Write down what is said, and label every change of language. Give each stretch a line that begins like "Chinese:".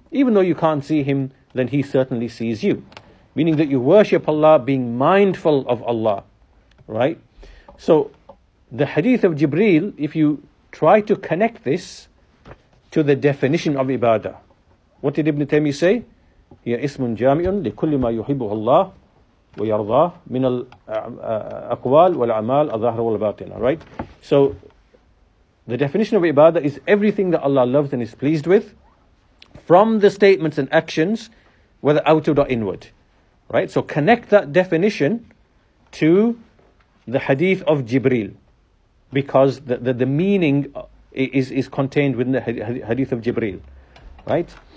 English: Even though you can't see Him, then He certainly sees you. Meaning that you worship Allah being mindful of Allah, right? So the hadith of Jibreel, if you try to connect this to the definition of ibadah, what did Ibn Taymiyyah say?
Arabic: هي اسم جامع لكل ما يحبه الله ويرضاه من الأقوال والأعمال الظاهرة والباطنة, right?
English: So the definition of ibadah is everything that Allah loves and is pleased with from the statements and actions, whether outward or inward, right? So connect that definition to the hadith of Jibreel, because the meaning is contained within the hadith of Jibreel, right?